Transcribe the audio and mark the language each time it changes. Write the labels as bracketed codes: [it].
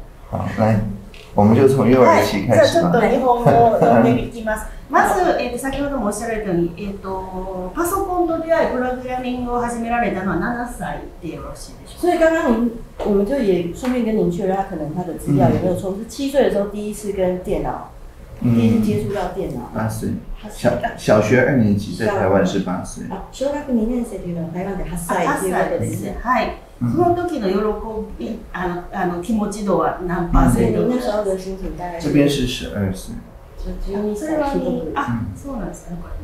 [zh] 好，来，我们就从幼儿期开始吧。 [ja] じゃあちょっと日本語を読んでいきます。まず、先ほどもおっしゃられたように、パソコンと出会いプログラミングを始められたのは7歳でよろしいでしょうか。 [zh] 所以刚刚您，我们就也顺便跟您确认，他可能他的资料有没有错，是7岁的时候第一次跟电脑，第一次接触到电脑。 8岁，小学二年级，在台湾是8岁。 [ja] 小学2年生というのは台湾で8歳っていうことですね。はい。その時の喜び、気持ち度は何パーセント？ [zh] 那时候的心情大概。这边是12岁。 [ja] それはそうなんですか。